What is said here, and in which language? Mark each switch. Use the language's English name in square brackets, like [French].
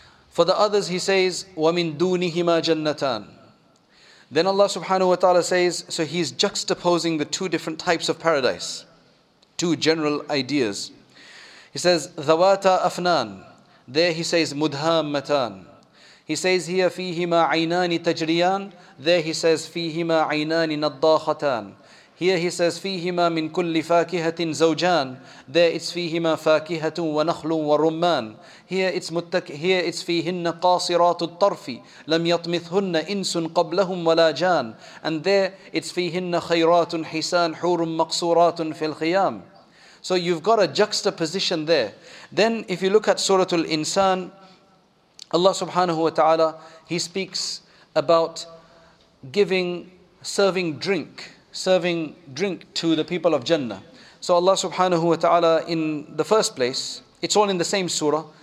[English] For the others, He says, وَمِنْ دُونِهِمَا جَنَّتَانَ. Then Allah subhanahu wa ta'ala says, so He's juxtaposing the two different types of paradise, two general ideas. He says, ذَوَاتَ أَفْنَانَ. There He says, مُدْهَامَّتَانَ. [Arabic] He says here, فِيهِمَا عَيْنَانِ تَجْرِيَانَ. There He says, فِيهِمَا عَيْنَانِ نَضَّاخَتَانَ. Here He says, فِيهِمَا مِنْ كُلِّ فَاكِهَةٍ زَوْجَانَ. There it's فِيهِمَا فَاكِهَةٌ وَنَخْلٌ وَرُمَّانَ. Here it's فِيهِنَّ قَاصِرَاتُ الطَّرْفِ لَمْ يَطْمِثْهُنَّ إِنْسٌ قَبْلَهُمْ وَلَا جَانَ. And there it's فِيهِنَّ خَيْرَاتٌ حِسَانٌ حُورٌ مَقْصُورَاتٌ فِي الْخِيَامِ. [English] So you've got a juxtaposition there. Then if you look at Suratul Insan, Allah subhanahu wa ta'ala, He speaks about serving drink to the people of Jannah. So Allah subhanahu wa ta'ala, in the first place, it's all in the same surah.